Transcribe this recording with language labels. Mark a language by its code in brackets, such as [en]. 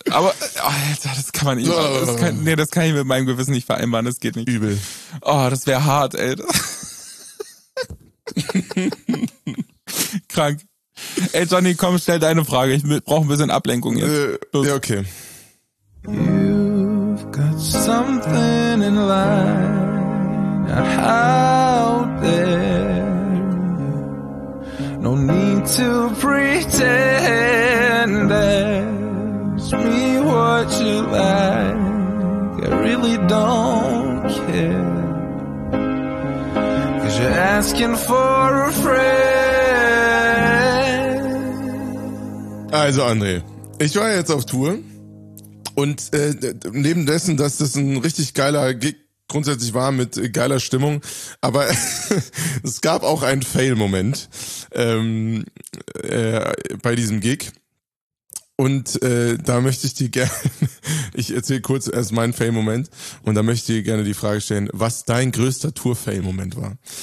[de] Aber, Alter, das kann man nicht machen. Das kann ich mit meinem Gewissen nicht vereinbaren. Das geht nicht. Übel. Oh, das wäre hart, Alter. Krank. Ey, Johnny, komm, stell deine Frage. Ich brauche ein bisschen Ablenkung jetzt. Ja, okay. [en] You've got something in line out there. No need to pretend. Ask me what you like. I really don't care. 'Cause you're asking for a friend. [de] Also André, ich war jetzt auf Tour und neben dessen, dass das ein richtig geiler Gig grundsätzlich war mit geiler Stimmung, aber es gab auch einen Fail-Moment bei diesem Gig und da möchte ich dir gerne, ich erzähle kurz erst meinen Fail-Moment und da möchte ich dir gerne die Frage stellen, was dein größter Tour-Fail-Moment war.